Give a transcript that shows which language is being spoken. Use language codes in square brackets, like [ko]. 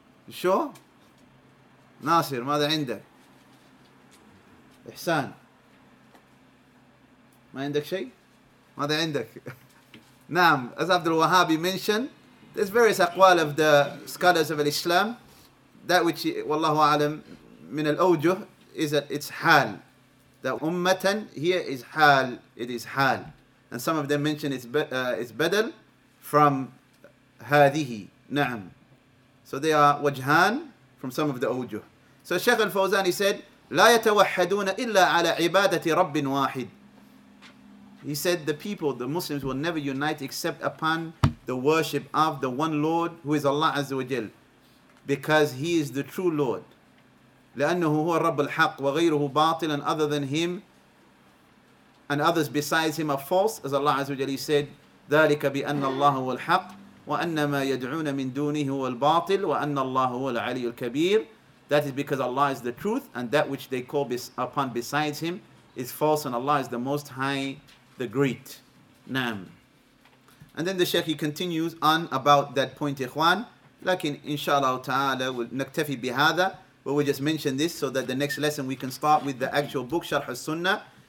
[ar] شو ناصر ماذا عندك؟ إحسان ما عندك شيء؟ ماذا عندك؟ نعم [en] as Abdul Wahhabi mentioned, there's various أقوال of the scholars of Islam. That which [ar] والله أعلم من الأوجه [en] is that it's حال. That أمة here is حال. It is حال. And some of them mention it's بدل from هذه. [ar] نعم. [en] So they are وجهان from some of the أوجه. So Sheikh Al-Fawzan, he said, [ar] لا يتوحدون إلا على عبادة رب واحد. [en] He said, the people, the Muslims, will never unite except upon the worship of the one Lord, who is Allah Azza wa Jal, because He is the true Lord. [ar] لأنه هو الرب الحق وغيره باطل, [en] and other than Him and others besides Him are false, as Allah Azza wa Jal, He said, [ar] ذلك بأن الله هو الحق وأن ما يدعون من دونه هو الباطل وأن الله هو العلي الكبير. [en] That is because Allah is the truth, and that which they call upon besides Him is false, and Allah is the Most High, the Great. Naam. And then the Shaykh, he continues on about that point, Ikhwan. Lakin, inshallah ta'ala, we'll naktafi bihada, but we'll just mention this so that the next lesson we can start with the actual book, Sharh al-Sunnah.